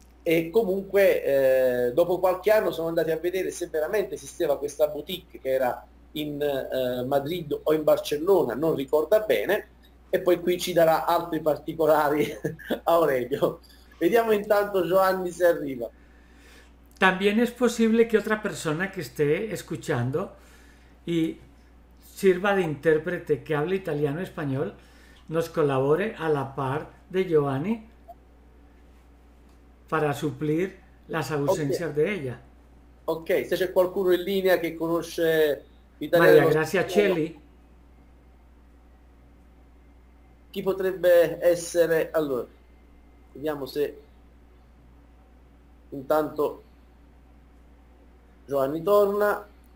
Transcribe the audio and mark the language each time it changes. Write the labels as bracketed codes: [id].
[it] E comunque dopo qualche anno sono andati a vedere se veramente esisteva questa boutique, che era in Madrid o in Barcellona, non ricorda bene, e poi qui ci darà altri particolari a Aurelio. Vediamo intanto Giovanni se arriva. [es] También es posible que otra persona que esté escuchando y sirva de intérprete, que hable italiano y español, nos colabore a la par de Giovanni para suplir las ausencias de ella. [it] Ok, se c'è qualcuno in linea che conosce italiano. Maria Grazia Celi. Chi potrebbe essere? Allora, vediamo se intanto Giovanni torna.